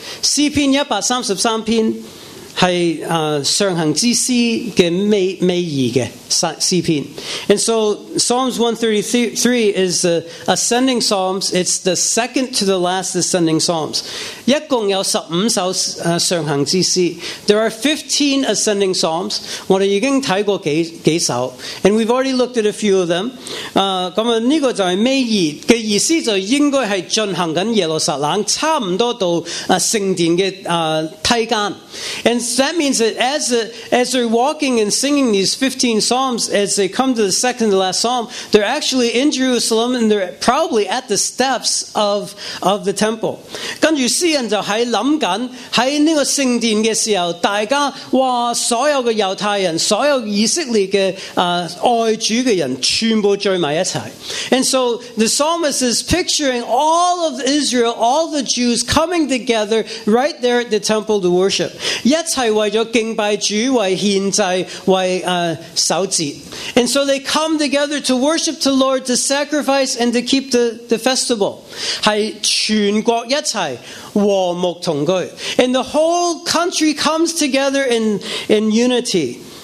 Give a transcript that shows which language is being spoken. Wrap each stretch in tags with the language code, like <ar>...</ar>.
<zh>詩篇一百三十三篇是上行之詩的美意的詩篇。</zh> <en>And so Psalms 133 is the ascending Psalms. It's the second to the last ascending Psalms.</en> <zh>一共有十五首上行之詩。</zh> <en>There are 15 ascending Psalms.</en> <zh>我们已经看过几首。</zh> <en>And we've already looked at a few of them.</en> <zh>这个就是美意的意思，就应该是进行着耶路撒冷，差不多到圣殿的梯间。</zh> <en>And that means that as they're walking and singing these 15 psalms, as they come to the second to last psalm, they're actually in Jerusalem and they're probably at the steps of the temple.</en> <zh>跟住诗人就喺谂紧喺呢个圣殿嘅时候，大家哇，所有嘅犹太人，所有以色列嘅爱主嘅人，全部聚埋一齐。</zh> <en>And so the psalmist is picturing all of Israel, all the Jews coming together right there at the temple to worship.</en> <zh>一切为了敬拜主，为献祭，为守节。</zh> <en>And so they come together to worship the Lord, to sacrifice and to keep the festival.</en> <zh>是全国一起和睦同居。</zh> <en>And the whole country comes together in unity.</en>